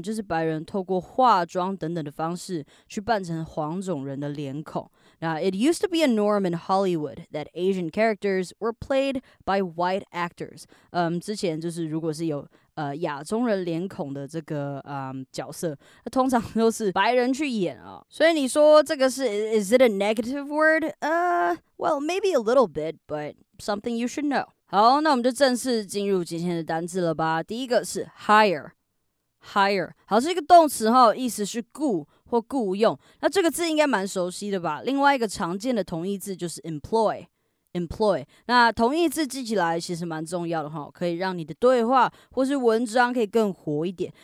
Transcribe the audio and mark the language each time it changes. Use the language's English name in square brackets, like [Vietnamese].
[Chinese] 就是白人透过化妆等等的方式去扮成黄种人的脸孔。 [English] Now, it used to be a norm in Hollywood that Asian characters were played by white actors. [Chinese] 之前就是如果是有亚中人脸孔的这个角色，那通常都是白人去演啊。所以你说这个是 [English] is it a negative word? Well, maybe a little bit, but something you should know. [Chinese] 好，那我们就正式进入今天的单字了吧。第一个是 hire， 好，是一个动词哈，意思是雇或雇用。那这个字应该蛮熟悉的吧？另外一个常见的同义字就是 employ。那同义字记起来其实蛮重要的哈，可以让你的对话或是文章可以更活一点。